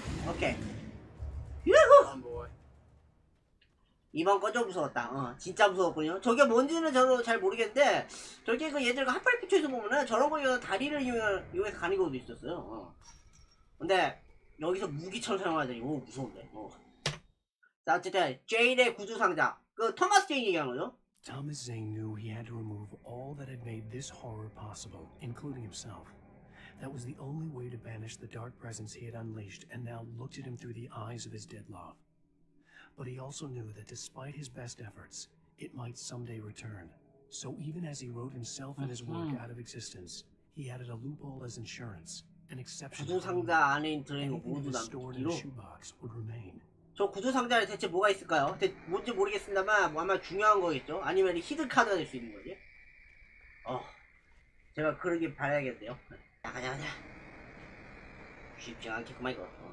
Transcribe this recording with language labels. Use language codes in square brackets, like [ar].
[ko] 오케이 유후. 이번 건 좀 무서웠다. 어 진짜 무서웠군요. 저게 뭔지는 저도 잘 모르겠는데 저게 그 예전에 그 핫플래피처에서 보면은 저런 거 이용해서 다리를 이용해서 가는 것도 있었어요. 어. 근데 여기서 무기처럼 사용해야 되니 오 무서운데. 어. 자 어쨌든 제인의 구조상자 [en] Thomas Zane knew he had to remove all that had made this horror possible, including himself. That was the only way to banish the dark presence he had unleashed and now looked at him through the eyes of his dead love. But he also knew that despite his best efforts, it might someday return. So even as he wrote himself and his work out of existence, he added a loophole as insurance, an exception to the stored in a shoebox would remain. [ko] 저 구조상자 안에 대체 뭐가 있을까요? 뭔지 모르겠습니다만 뭐 아마 중요한 거겠죠? 아니면 히든카드가 될 수 있는 거지? 어... 제가 그러긴 봐야겠네요. 가자 쉽지 않겠구만 이거.